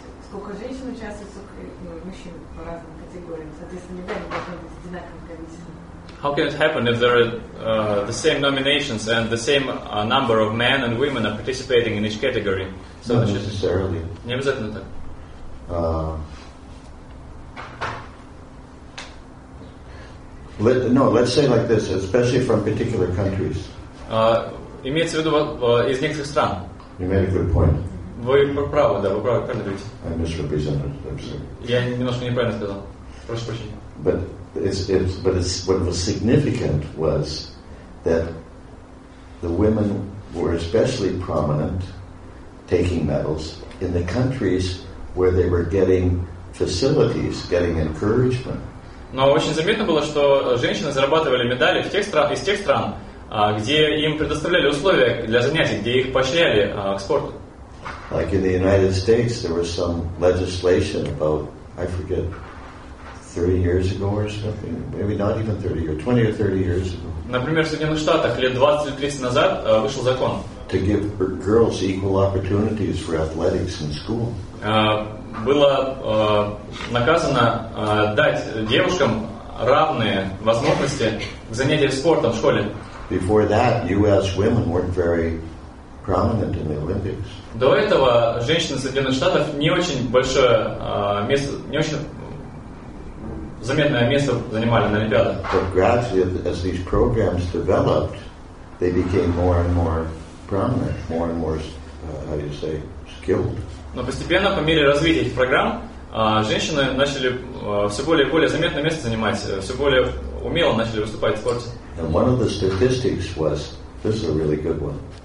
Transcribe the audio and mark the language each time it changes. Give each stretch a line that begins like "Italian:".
Russian: Сколько женщин участвует, сколько мужчин по разным категориям. Соответственно, медали должны быть одинаковым количеством.
English: How can it happen if there are the same nominations and the same number of men and women are participating in each category? So not necessarily.
Russian: Не обязательно так.
English: Let's say like this, especially from particular countries.
Russian: Имеется в виду из некоторых стран.
English: You made a good point.
Russian: Вы правы, да, вы правы, правильно говорите.
English: I misrepresented, I'm sorry.
Russian: Я немножко неправильно сказал. Прошу прощения.
English: But But what was significant was that the women were especially prominent taking medals in the countries where they were getting facilities, getting encouragement.
Russian: Но очень заметно было, что женщины зарабатывали медали в тех стран, из тех стран, где им предоставляли условия для занятий, где их поощряли к спорту.
English: Like in the United States, there was some legislation about, I forget, 30 years ago or something, maybe not even 30 years, 20 or 30 years ago.
Russian: Например, в Соединенных Штатах лет 20 или 30 назад вышел закон.
English: To give girls equal opportunities for athletics in school.
Russian: Было наказано дать девушкам равные возможности к занятиям спортом в школе.
English: Before that, U.S. women weren't very prominent in the Olympics.
Russian: До этого женщины Соединенных Штатов не очень большое место, не очень заметное место занимали на Олимпиадах.
English: But gradually, as these programs developed, they became more and more prominent, more and more, how do you say, skilled.
Russian: Но постепенно, по мере развития этих программ, женщины начали все более и более заметное место занимать, все более умело начали выступать в спорте.
English: And one of the statistics was, this is a really good one.